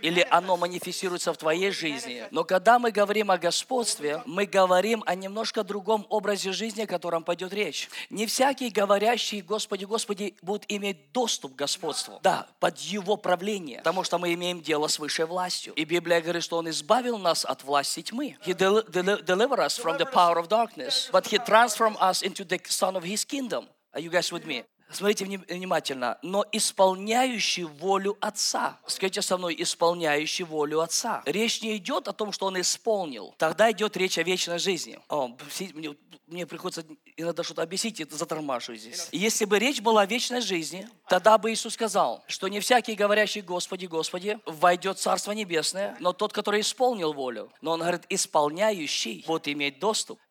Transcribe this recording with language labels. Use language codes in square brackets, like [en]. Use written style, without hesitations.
[ru] Или оно манифестируется в твоей жизни. Но когда мы говорим о господстве, мы говорим о немножко другом образе жизни, о котором пойдет речь. Не всякий, говорящий Господи, Господи, будет иметь доступ к господству. Да, под Его правление. Потому что мы имеем дело с высшей властью. И Библия говорит, что Он избавил нас от власти тьмы. [en] He deliver us from the power of darkness. But He transformed us into the son of His kingdom. Are you guys with me? [ru] Смотрите внимательно. Но исполняющий волю Отца. Скажите со мной, исполняющий волю Отца. Речь не идет о том, что Он исполнил. Тогда идет речь о вечной жизни. О, мне приходится иногда что-то объяснить, и затормашу здесь. Если бы речь была о вечной жизни, тогда бы Иисус сказал, что не всякий, говорящий Господи, Господи, войдет в Царство Небесное, но тот, который исполнил волю. Но Он говорит, исполняющий, вот иметь доступ.